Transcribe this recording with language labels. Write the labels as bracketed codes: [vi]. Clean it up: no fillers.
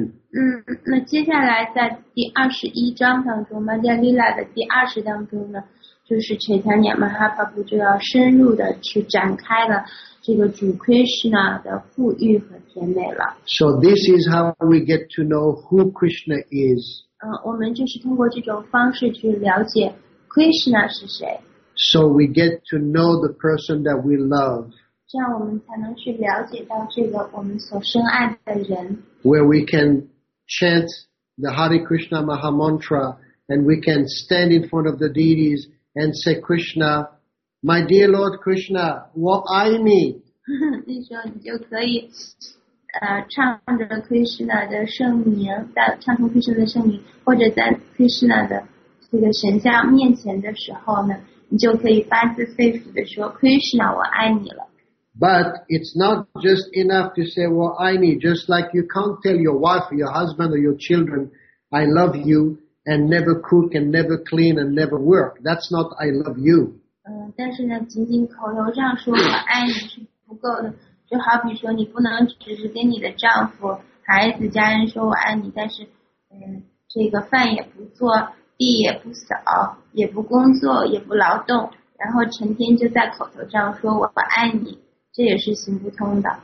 [zh] 22. 那接下来在第二十一章当中 Madhya Lila 的第二十当中呢就是 Chaitanya Mahaprabhu 就要深入的去展开了这个主 Krishna 的富裕和甜美了。 [en] So this is how we get to know who Krishna is. [zh] 我们就是通过这种方式去了解 Krishna 是谁。 [en] So we get to know the person that we love. [zh] 这样我们才能去了解到这个我们所深爱的人。 [en] Where we can chant the Hare Krishna Maha Mantra and we can stand in front of the deities and say Krishna,My dear Lord Krishna, what I need. [zh] 你说你就可以唱着 Krishna 的圣名唱着 Krishna 的圣名或者在 Krishna 的这个神像面前的时候呢你就可以发自肺腑的说 Krishna, 我爱你了。 [en] But it's not just enough to say, what I need, just like you can't tell your wife or your husband or your children, I love you and never cook and never clean and never work. That's not I love you. [zh] 但是呢仅仅口头上说我爱你是不够的就好比说你不能只是跟你的丈夫孩子家人说我爱你但是这个饭也不做地也不扫也不工作也不劳动然后成天就在口头上说我爱你这也是行不通的。